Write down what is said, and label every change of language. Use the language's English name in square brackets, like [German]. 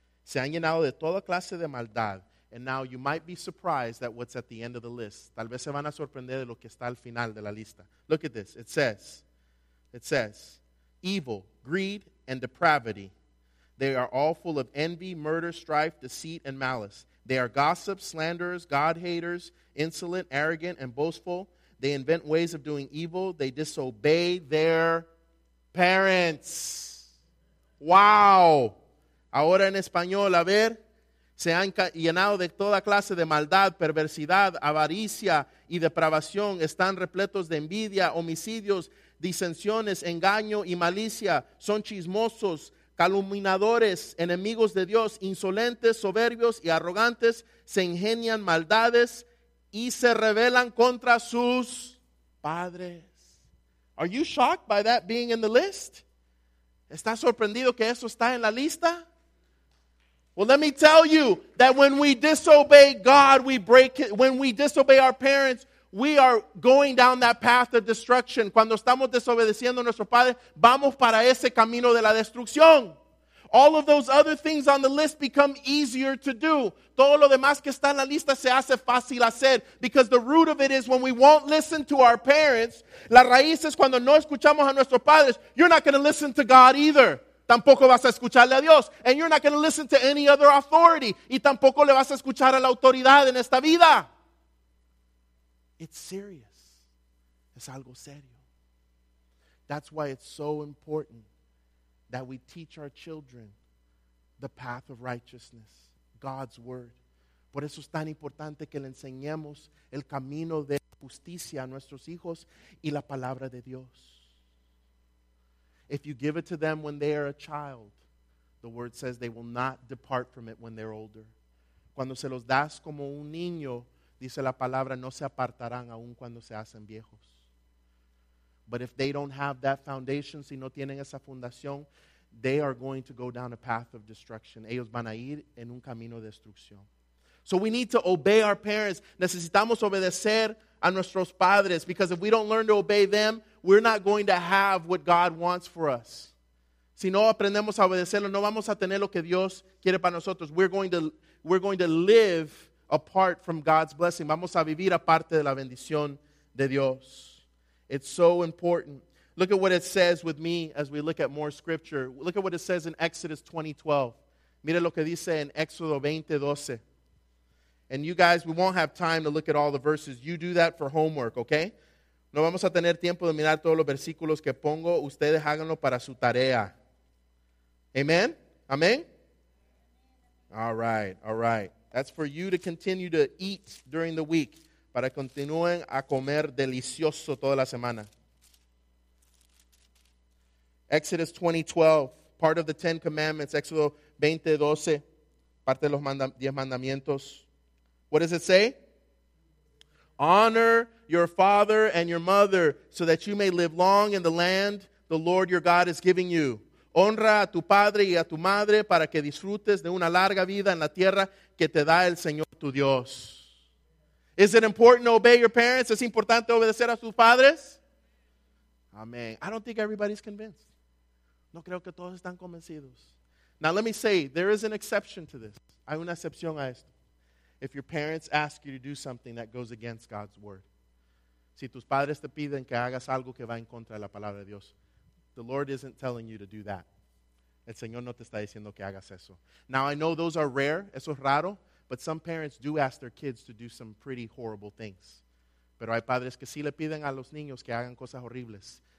[Spanish] se han llenado de toda clase de maldad. [English] And now you might be surprised at what's at the end of the list. [Spanish] Tal vez se van a sorprender de lo que está al final de la lista. [English] Look at this. It says, evil, greed, and depravity. They are all full of envy, murder, strife, deceit, and malice. They are gossips, slanderers, God-haters, insolent, arrogant, and boastful. They invent ways of doing evil. They disobey their parents. Wow. [Spanish] Ahora en español, a ver. Se han llenado de toda clase de maldad, perversidad, avaricia y depravación. Están repletos de envidia, homicidios, disensiones, engaño y malicia. Son chismosos, calumniadores, enemigos de Dios, insolentes, soberbios y arrogantes. Se ingenian maldades y se rebelan contra sus padres. [English] Are you shocked by that being in the list? [Spanish] ¿Estás sorprendido que eso está en la lista? [English] Well, let me tell you that when we disobey God, we break it. When we disobey our parents, we are going down that path of destruction. [Spanish] Cuando estamos desobedeciendo a nuestro padre, vamos para ese camino de la destrucción. [English] All of those other things on the list become easier to do. [Spanish] Todo lo demás que está en la lista se hace fácil hacer. [English] Because the root of it is when we won't listen to our parents, [Spanish] la raíz es cuando no escuchamos a nuestros padres, [English] you're not going to listen to God either. [Spanish] Tampoco vas a escucharle a Dios. [English] And you're not going to listen to any other authority. [Spanish] Y tampoco le vas a escuchar a la autoridad en esta vida. [English] It's serious. [Spanish] Es algo serio. [English] That's why it's so important that we teach our children the path of righteousness, God's word. [Spanish] Por eso es tan importante que le enseñemos el camino de justicia a nuestros hijos y la palabra de Dios. [English] If you give it to them when they are a child, the word says they will not depart from it when they're older. [Spanish] Cuando se los das como un niño, dice la palabra, no se apartarán aún cuando se hacen viejos. [English] But if they don't have that foundation, [Spanish] si no tienen esa fundación, [English] they are going to go down a path of destruction. [Spanish] Ellos van a ir en un camino de destrucción. [English] So we need to obey our parents. [Spanish] Necesitamos obedecer a nuestros padres, [English] because if we don't learn to obey them, we're not going to have what God wants for us. [Spanish] Si no aprendemos a obedecerlo, no vamos a tener lo que Dios quiere para nosotros. [English] We're going to live apart from God's blessing. [Spanish] Vamos a vivir aparte de la bendición de Dios. [English] It's so important. Look at what it says with me as we look at more scripture. Look at what it says in Exodus 20:12. [Spanish] Mira lo que dice en Éxodo 20:12. [English] And you guys, we won't have time to look at all the verses. You do that for homework, okay? [Spanish] No vamos a tener tiempo de mirar todos los versículos que pongo. Ustedes háganlo para su tarea. Amen? Amen? [English] All right. That's for you to continue to eat during the week. [Spanish] Para continúen a comer delicioso toda la semana. [English] Exodus 20:12, part of the Ten Commandments. [Spanish] Éxodo 20:12, parte de los 10 mandamientos. [English] What does it say? Honor your father and your mother, so that you may live long in the land the Lord your God is giving you. [Spanish] Honra a tu padre y a tu madre para que disfrutes de una larga vida en la tierra que te da el Señor tu Dios. [English] Is it important to obey your parents? [Spanish] ¿Es importante obedecer a sus padres? [English] Amen. I don't think everybody's convinced. [Spanish] No creo que todos están convencidos. [English] Now let me say, there is an exception to this. [Spanish] Hay una excepción a esto. [English] If your parents ask you to do something that goes against God's word. Si tus padres te piden que hagas algo que va en contra de la palabra de Dios, the Lord isn't telling you to do that. [Spanish] El Señor no te está diciendo que hagas eso. [English] Now, I know those are rare, [Spanish] eso es raro, [English] but some parents do ask their kids to do some pretty horrible things. [Spanish] Pero hay padres que sí le piden a los niños que hagan cosas horribles.